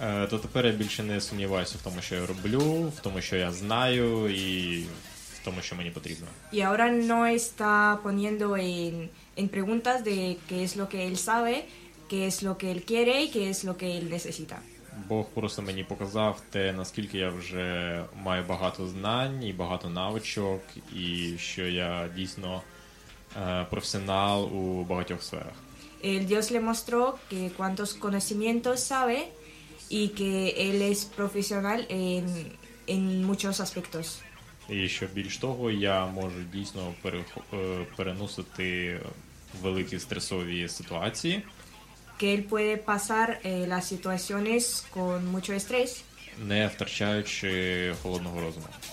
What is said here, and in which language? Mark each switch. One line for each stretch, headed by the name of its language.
Ukrainian: То тепер я більше не сумніваюся в тому, що я роблю, в тому, що я знаю і в тому, що мені потрібно.
Spanish: Y ahora no está poniendo en preguntas de qué es lo que él sabe, qué es lo que él quiere y qué es lo que él necesita.
Ukrainian: Бог просто мені показав те, наскільки я вже маю багато знань і багато навичок, і що я дійсно професіонал у багатьох сферах.
Spanish: El Dios le mostró que cuántos conocimientos sabe y que él es profesional en muchos aspectos.
Ukrainian: І що більш того, я можу дійсно переносити великі стресові ситуації.
Spanish: Que él puede pasar las situaciones con mucho estrés.
Ukrainian: Не втрачаючи холодного розуму.